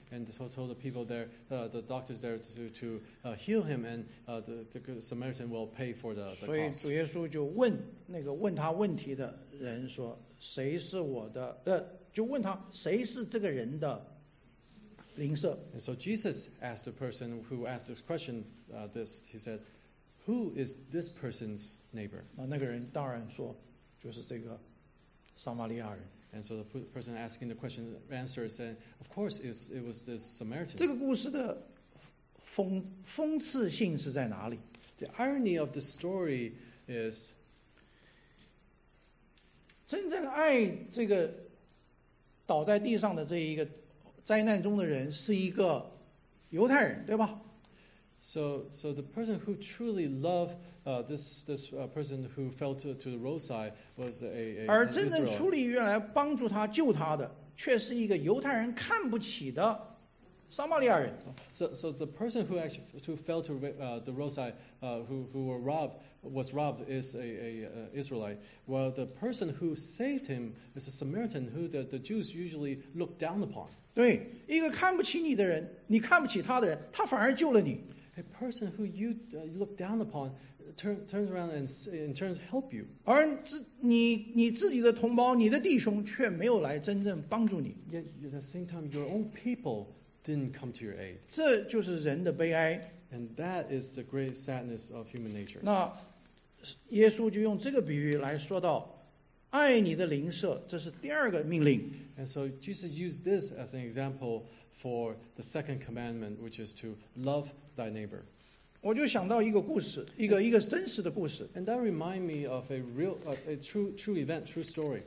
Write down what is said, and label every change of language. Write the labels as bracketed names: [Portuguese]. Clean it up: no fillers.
[English] ”And so told the people there, the doctors there to heal him, and the Samaritan will pay for the cost. [Chinese] 所以主耶稣就问那个问他问题的人说：“谁是我的？” 就问他谁是这个人的。 [English] And so Jesus asked the person who asked this question, this, he said, who is this person's neighbor? [Chinese] 那个人当然说就是这个撒玛利亚人。 [English] And so the person asking the question answered, said, of course, it was this Samaritan. [Chinese] 这个故事的讽刺性是在哪里？ [English] The irony of the story is, [Chinese] 真正爱这个倒在地上的这一个灾难中的人是一个犹太人，对吧 [English] ？So the person who truly loved this person who fell to the roadside was a [Chinese] 而真正出力于来帮助他救他的，却是一个犹太人看不起的撒玛利亚人。 [English] So the person who actually who fell to the roadside who were robbed was robbed is a Israelite, while the person who saved him is a Samaritan who the Jews usually look down upon. [Chinese] 对一个看不起你的人，你看不起他的人，他反而救了你。 [English] A person who you look down upon turns around and in turn help you. [Chinese] 而你自己的同胞，你的弟兄却没有来真正帮助你。 [English] Yet at the same time, your own people didn't come to your aid. [Chinese] 这就是人的悲哀。 [English] And that is the great sadness of human nature. [Chinese] 那耶稣就用这个比喻来说到。爱你的邻舍，这是第二个命令。 [English] And so Jesus used this as an example for the second commandment, which is to love thy neighbor. [Chinese] 我就想到一个故事，一个真实的故事。 [English] And that reminds me of a true event, true story.